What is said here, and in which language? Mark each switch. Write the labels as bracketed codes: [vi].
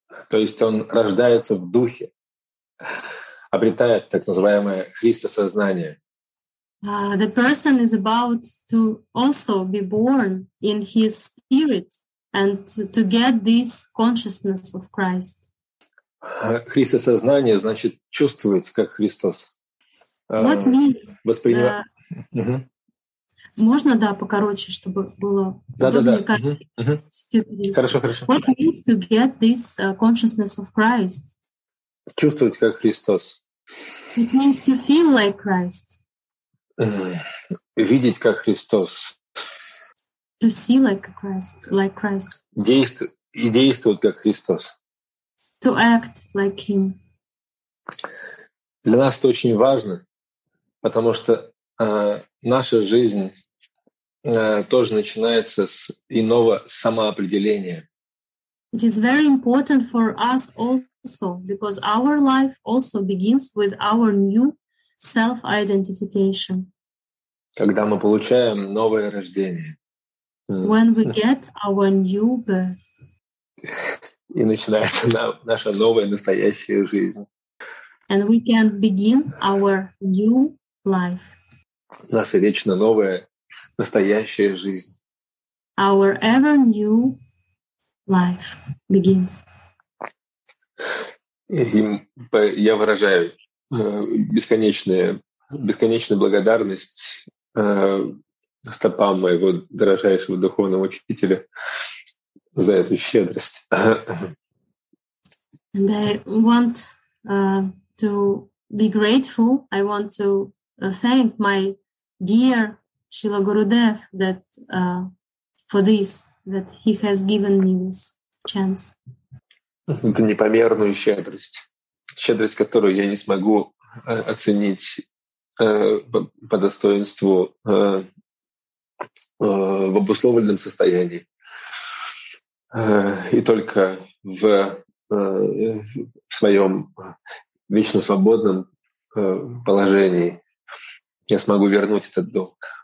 [ru] То есть он рождается в духе, обретает так называемое Христосознание. [en] The person is about to also be born in his spirit and to get this consciousness of Christ. [ru] Христосознание значит чувствовать, как Христос. [en] What means? [ru] Воспринимать. Можно, да, покороче, чтобы было удобнее. Хорошо, хорошо. [en] What means to get this consciousness of Christ? [ru] Чувствовать, как Христос. [en] It means to feel like Christ. [ru] Видеть как Христос. [en] To see like Christ, like Christ. [ru] И действовать как Христос. [en] To act like Him. [ru] Для нас это очень важно, потому что наша жизнь тоже начинается с иного самоопределения. [en] It is very important for us also, because our life also begins with our new self-identification. [ru] Когда мы получаем новое рождение. [en] When we get our new birth. [ru] И начинается наша новая, настоящая жизнь. [en] And we can begin our new life. [ru] Наша вечно новая, настоящая жизнь. [en] Our ever new life begins. [ru] И я выражаю бесконечную благодарность стопам моего дорожайшего духовного учителя за эту щедрость. [en] And I want to be grateful. I want to thank my dear Srila Gurudev that for this, that he has given me this chance. [ru] Это непомерную щедрость. Щедрость, которую я не смогу оценить по достоинству в обусловленном состоянии. И только в своем вечно свободном положении я смогу вернуть этот долг.